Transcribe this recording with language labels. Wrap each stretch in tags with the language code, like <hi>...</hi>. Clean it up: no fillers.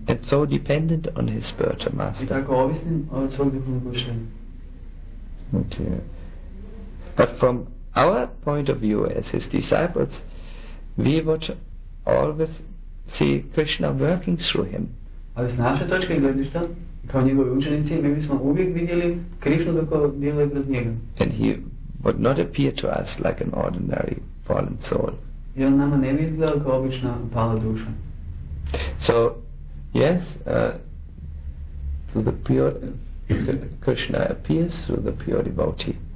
<en>And so dependent on his spiritual master.</en> <hr>I tako ovisnim od svog duhovnog učitelja.</hr> <en>Okay. But from our point of view as his disciples, we would always see Krishna working through him.</en> <hr>Ali s naše točke gledišta, kao njegovi učenici, mi bismo uvijek vidjeli Krišnu dok djeluje kroz njega.</hr> <en>And he would not appear to us like an ordinary fallen soul.</en> <hr>I on nama ne bi izgledao kao obična pala duša.</hr> <en>So, yes, to the pure Krishna appears through the pure devotee.</en>